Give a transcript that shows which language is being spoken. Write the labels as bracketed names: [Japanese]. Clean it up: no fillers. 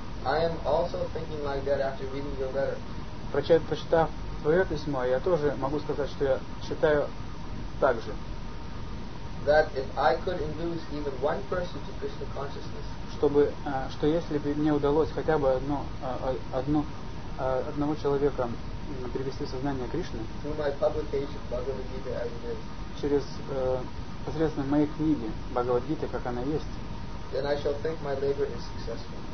[English] I am also thinking like that after reading your letter. [Russian] Прочитав твое письмо, я тоже могу сказать, что я считаю так же. [English] That if I could induce even one person to Krishna consciousness, [Russian] чтобы что если бы мне удалось хотя бы одного человека привести в сознание Кришны, [English] through my publication Bhagavad Gita as it is, [Russian] через посредством моей книги Бхагавад Гита как она есть, [English] then I shall think my labor is successful.